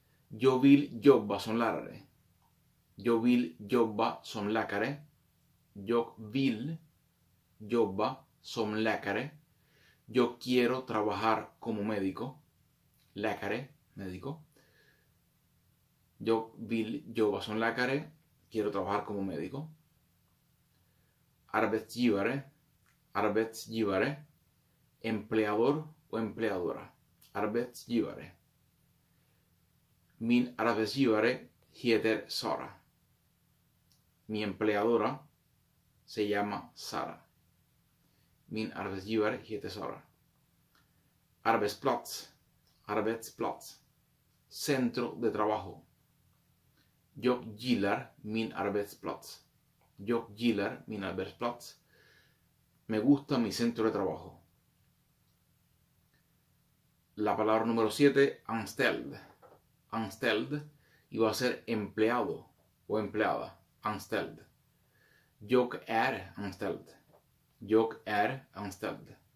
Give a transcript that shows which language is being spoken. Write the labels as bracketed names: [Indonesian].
[Swedish] Yo vill jobba som lärare. Yo vill jobba som läkare. Yo vill jobba som läkare. [Spanish] Yo quiero trabajar como médico. Läkare, médico. [Swedish] Yo vill jobba som läkare. [Spanish] Quiero trabajar como médico. [Swedish] Arbetsgivare, arbetsgivare. [Spanish] Empleador o empleadora. Arbetsgivare. [Swedish] Min arbetsgivare heter Sara. [Spanish] Mi empleadora se llama Sara. [Swedish] Min arbetsgivare heter Sara. [Spanish] Arbetsplats, arbetsplats. Centro de trabajo. [Swedish] Jag gillar min arbetsplats. Jag gillar min arbetsplats. [Spanish] Me gusta mi centro de trabajo. La palabra número 7, anställd. Anställd. Y va a ser empleado o empleada. Anställd. [Swedish] Jag är anställd.